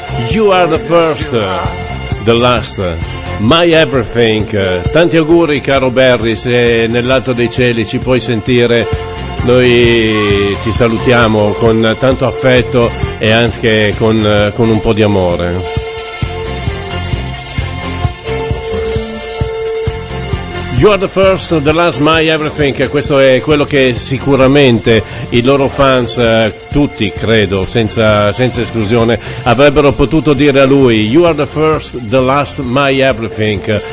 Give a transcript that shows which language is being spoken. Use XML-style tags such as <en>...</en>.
<en>You Are the First, The Last, My Everything.</en> <it>Tanti auguri caro Barry, se nel lato dei cieli ci puoi sentire, noi ti salutiamo con tanto affetto e anche con un po' di amore.</it> <en>You Are the First, The Last, My Everything,</en> <it>questo è quello che sicuramente i loro fans, tutti credo, senza esclusione, avrebbero potuto dire a lui.</it> <en>You Are the First, The Last, My Everything.</en>